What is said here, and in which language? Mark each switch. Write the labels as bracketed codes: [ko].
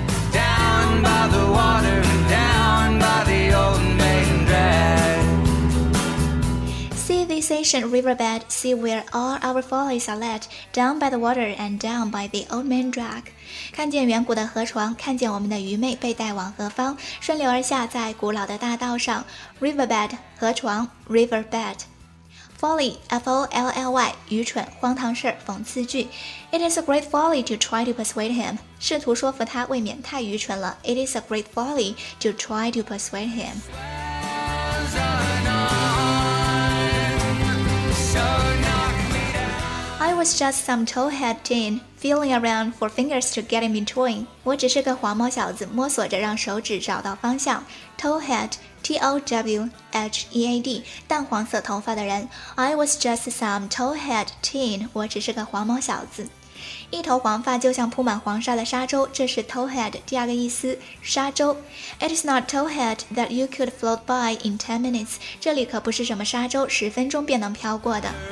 [en] Down by the water, down by the old main drag。 ancient riverbed, see where all our follies are led, down by the water and down by the old man drag. [zh] 看见远古的河床，看见我们的愚昧被带往何方，顺流而下在古老的大道上。 [en] Riverbed, 河床 ,riverbed. [zh] Folly, F-O-L-L-Y, 愚蠢、荒唐事、讽刺句。 [en] It is a great folly to try to persuade him. [zh] 试图说服他未免太愚蠢了。 [en] It is a great folly to try to persuade him. I was just some towhead teen, feeling around for fingers to get in between. [zh] 我只是个黄毛小子，摸索着让手指找到方向。 Towhead,T-O-W-H-E-A-D, 淡黄色头发的人。 [en] I was just some towhead teen, [zh] 我只是个黄毛小子。一头黄发就像铺满黄沙的沙洲，这是 towhead 第二个意思，沙洲。 [en] It is not towhead that you could float by in 10 minutes, [zh] 这里可不是什么沙洲，十分钟便能飘过的。